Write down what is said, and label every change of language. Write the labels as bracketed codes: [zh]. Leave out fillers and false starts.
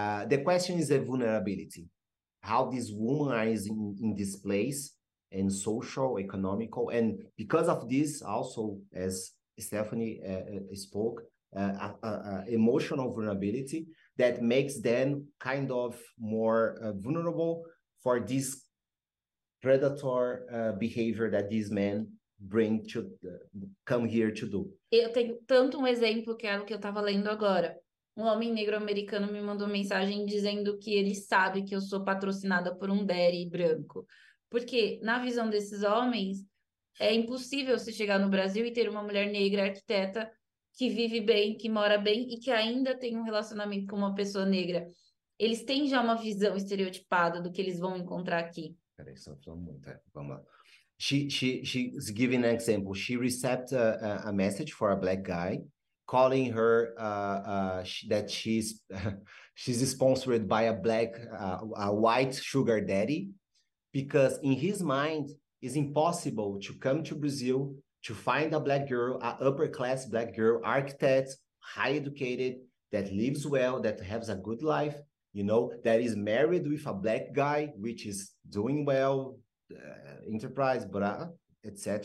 [en] the question is the vulnerability, how these women are in this place, and social, economical, and because of this also, as Stephanie spoke, emotional vulnerability that makes them kind of more vulnerable for this predator behavior that these men bring to come here to do. [pt] Eu tenho tanto exemplo que era o que eu estava lendo agora. Um homem negro americano me mandou mensagem dizendo que ele sabe que eu sou patrocinada por um daddy branco. Porque, na visão desses homens, é impossível se chegar no Brasil e ter uma mulher negra arquiteta que vive bem, que mora bem e que ainda tem um relacionamento com uma pessoa negra. Eles têm já uma visão estereotipada do que eles vão encontrar aqui. Peraí, só falando muito. Vamos lá. [en] She's giving an example. She received a message for a black guy calling her that she's sponsored by a black a white sugar daddy, because in his mind it's impossible to come to Brazil to find a black girl, a upper class black girl, architect, high educated, that lives well, that has a good life, you know, that is married with a black guy which is doing well, enterprise, blah, etc.